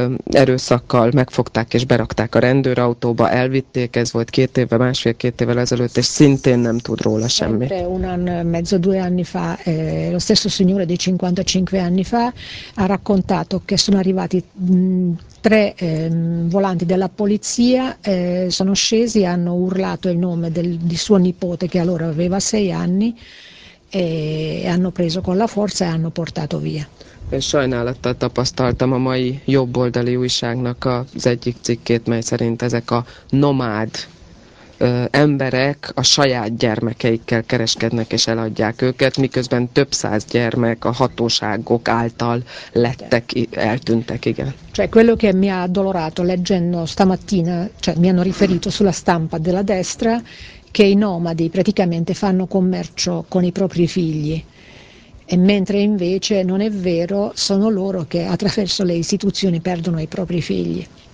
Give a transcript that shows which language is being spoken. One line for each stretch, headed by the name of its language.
Hungarian: erőszakkal megfogták és berakták a rendőrautóba, elvitték, ez volt 2 évvel, 1,5-2 évvel ezelőtt, és szintén nem tud róla semmit.
Italian: Sempre un anno e mezzo, 2 anni fa, lo stesso signore di 55 anni fa ha raccontato che sono arrivati 3 volanti della polizia, sono scesi, hanno urlato il nome di suo nipote che allora aveva 6 anni e hanno preso con la forza e hanno portato via.
Hungarian: Én sajnálattal tapasztaltam a mai jobboldali újságnak az egyik cikkét, mely szerint ezek a nomád emberek a saját gyermekeikkel kereskednek és eladják őket, miközben több száz gyermek a hatóságok által lettek, eltűntek, igen.
Italian: Cioè, quello che mi ha addolorato leggendo stamattina, cioè, mi hanno riferito sulla stampa della destra, che i nomadi praticamente fanno commercio con i propri figli, e mentre invece non è vero, sono loro che attraverso le istituzioni perdono i propri figli.